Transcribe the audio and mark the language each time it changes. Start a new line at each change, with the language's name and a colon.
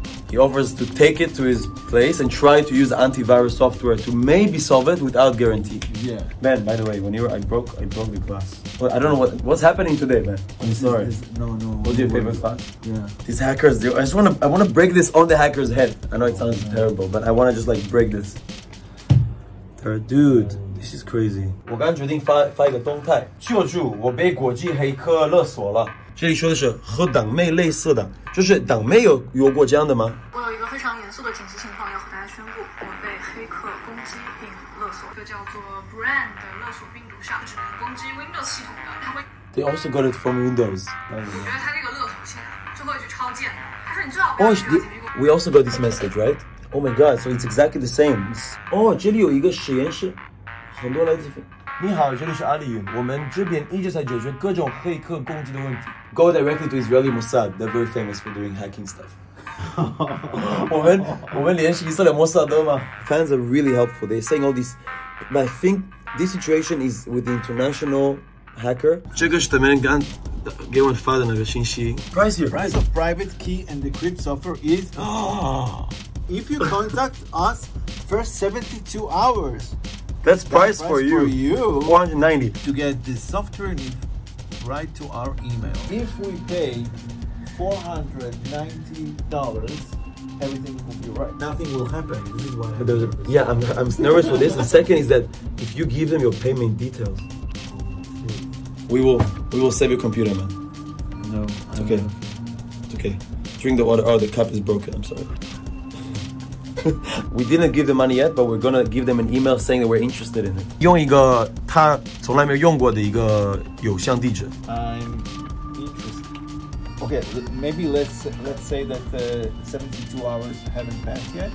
English: He offers to take it to his place and try to use antivirus software to maybe solve it without guarantee. Yeah. Man, by the way, when you were, I broke the glass. Well, I don't know what's happening today, man. I'm sorry. What's your favorite part? Yeah. These hackers, dude, I want to break this on the hacker's head. I know it sounds terrible, but I want to just like break this. Dude, this is crazy.
Chinese: 我刚决定发一个动态，救助，我被国际黑客勒索了。这里说的是和党妹类似的，就是党妹有过这样的吗？我有一个非常严肃的紧急情况要和大家宣布，我被黑客攻击并勒索，一个叫做 Brand 的勒索病毒上，只能攻击 Windows 系统的，它会。
English: They also got it from Windows.
Chinese: 我觉得他这个勒索信最后一句超贱，他说你最好不要点击过。
English: We also got this message, right? Oh my God! So it's exactly the same.
Chinese: Oh, 这里有一个实验室，很多来自。你好，这里是阿里云，我们这边一直在解决各种黑客攻击的问题。
English: Go directly to Israeli Mossad, they're very famous for doing hacking stuff.
Chinese: 我们联系以色列摩萨德吗？
English: Fans are really helpful, they're saying all this. But I think this situation is with the international hacker.
Chinese: 这个是他们刚给我发的那个信息。
English: Price here. Price of private key and the crypt software is...、 Oh. If you contact us first 72 hours... That's price for you. $490. To get the software, need write to our email. If we pay $490, everything will be right. Nothing will happen. This is what happens. Yeah, I'm nervous for this. The second is that if you give them your payment details, we will save your computer, man. No. It's okay. It's okay. Drink the water. Oh, the cup is broken. I'm sorry. We didn't give the money yet, but we're gonna give them an email saying that we're interested in it.
Chinese: 用一个他从来没有用过的一个邮箱地址。
English: I'm interested. Okay, maybe let's say that 72 hours haven't passed yet.